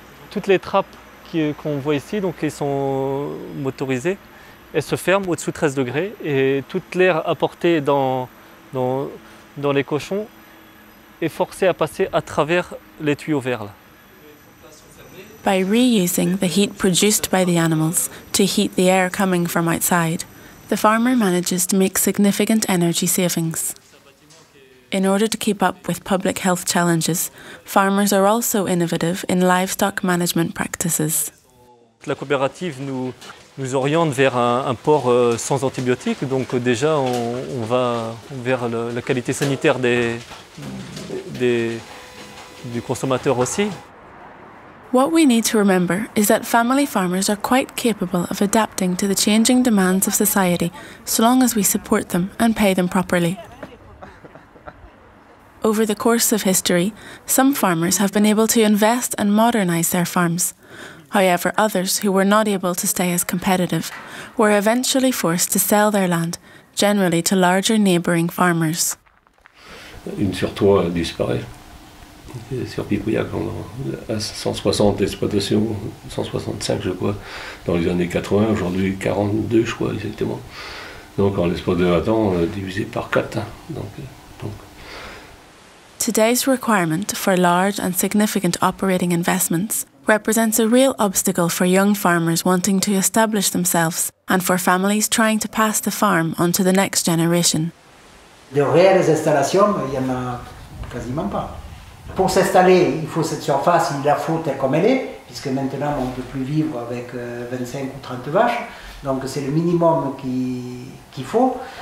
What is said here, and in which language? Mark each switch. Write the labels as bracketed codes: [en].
[fr] Toutes les trappes qu'on voit ici, donc elles sont motorisées, elles se ferment au-dessous de 13 degrés et toute l'air apporté dans les cochons est forcé à passer à travers les tuyaux verts. [en] By reusing the heat produced by the animals to heat the air coming from outside, the farmer manages to make significant energy savings. In order to keep up with public health challenges, farmers are also innovative in livestock management practices. [fr] La coopérative nous oriente vers un porc sans antibiotiques, donc déjà on va vers la qualité sanitaire du consommateur aussi. [en] What we need to remember is that family farmers are quite capable of adapting to the changing demands of society, so long as we support them and pay them properly. Over the course of history, some farmers have been able to invest and modernize their farms. However, others who were not able to stay as competitive were eventually forced to sell their land, generally to larger neighboring farmers. [fr] Une sur trois disparaît. Sur Pipouillac, on a 160 exploitations, 165 je crois, dans les années 80, aujourd'hui 42 je crois exactement. Donc en l'espace de 20 ans, divisé par 4. [en] Today's requirement for large and significant operating investments represents a real obstacle for young farmers wanting to establish themselves and for families trying to pass the farm on to the next generation. [fr] De réelles installations, il n'y en a quasiment pas. Pour s'installer, il faut cette surface, il la faut telle comme elle est, puisque maintenant on ne peut plus vivre avec 25 ou 30 vaches, donc c'est le minimum qu'il faut.